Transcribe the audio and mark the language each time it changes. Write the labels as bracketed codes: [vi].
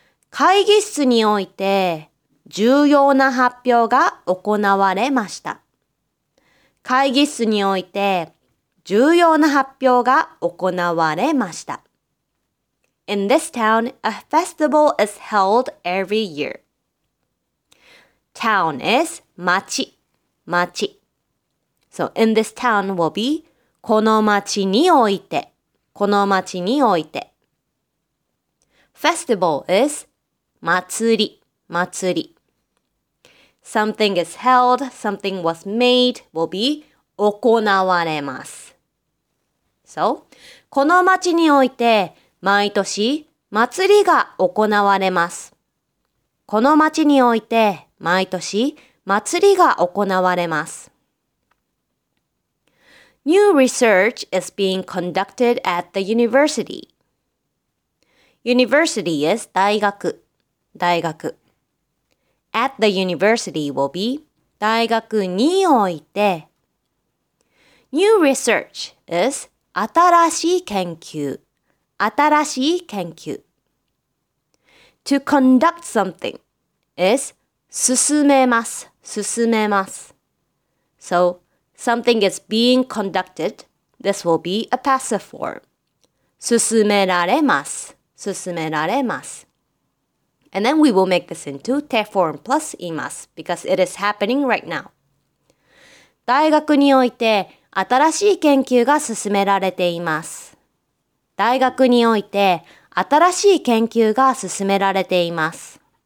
[ja] 会議室において重要な発表が行われました。会議室において重要な発表が行われました。 [en] In this town, a festival is held every year. Town is [ja] 町。町。 [en] So in this town will be [ja] この町において。この町において。 [en] Festival is [ja] 祭り。祭り。 [en] Something is held, something was made will be [ja] 行われます。 So, この町において毎年祭りが行われます。この町において毎年祭りが行われます。 [en] New research is being conducted at the university. University is [ja] 大学。大学。 [en] At the university will be [ja] 大学において。 [en] New research is [ja] 新しい研究。新しい研究。 [en] To conduct something is [ja] 進めます。進めます。 [en] So, something is being conducted. This will be a passive form. [ja] 進められます。進められます。 [en] And then we will make this into [ja] 手 [en] form plus [ja] います [en] because it is happening right now. [ja] 大学において新しい研究が進められています。大学において新しい研究が進められています。